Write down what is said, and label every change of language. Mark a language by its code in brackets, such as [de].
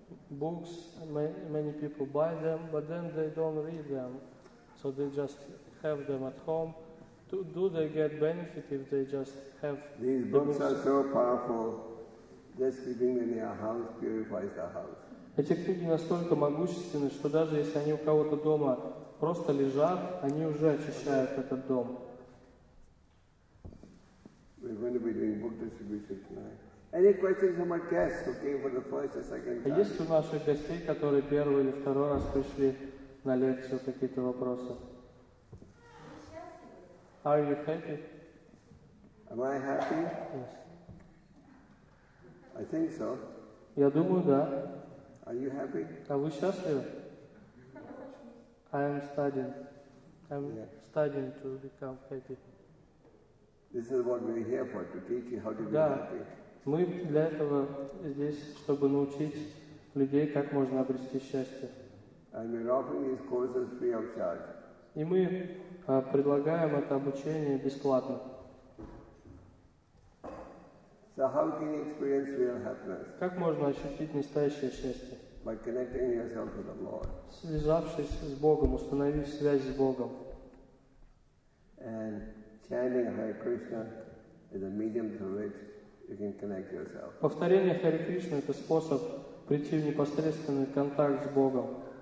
[en] Books, many people buy them, but then they don't read them, so they just have them at home. Do they get benefit if they just have these books? Are so powerful, just keeping them in your house purifies the house. [ru] Эти книги настолько могущественны, что даже если они у кого-то дома просто лежат, они уже очищают этот дом. [en] We're going to be doing book distribution tonight. Any questions from our guests who came for the first or second time? [ru] Есть у наших гостей, которые первый или второй раз пришли на лекцию, какие-то вопросы? [en] Are you happy? Am I happy? Yes. I think so. [ru] Я думаю, да. [en] Are you happy? [ru] А вы счастливы? [en] I am studying. Studying to become happy. This is what we're here for, to teach you how to be happy. [ru] Мы для этого здесь, чтобы научить людей, как можно обрести счастье. [en] And we're offering these courses free of charge. [ru] И мы предлагаем это обучение бесплатно. [en] So how can you experience real happiness? [ru] Как можно ощутить настоящее счастье? [en] By connecting yourself with the Lord. [ru] Связавшись с Богом, установив связь с Богом. [en] And chanting Hare Krishna is a medium through which you can connect yourself. [ru] Повторение Харе Кришны — это способ прийти в непосредственный контакт с Богом.